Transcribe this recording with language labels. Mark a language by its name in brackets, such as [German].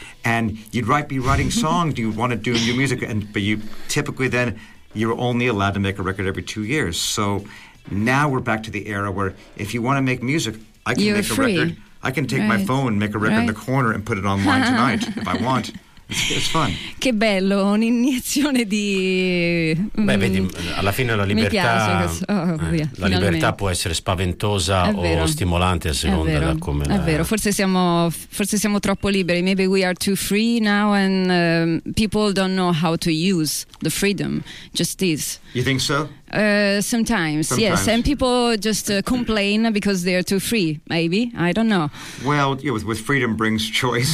[English] And you'd be writing songs. Do you want to do new music? But you typically then, you were only allowed to make a record every 2 years. So now we're back to the era where if you want to make music, I can make a record. I can take my phone, make a record in the corner, and put it online tonight if I want. It's fun. [Italian] Che bello, un'iniezione di beh, vedi, alla fine la libertà la libertà può essere spaventosa o stimolante a seconda da come è vero, forse siamo troppo liberi. [English] Maybe we are too free now and people don't know how to use the freedom, just this. You think so? Sometimes, yes. And people just complain because they're too free, maybe. I don't know. Well, yeah, with freedom brings choice.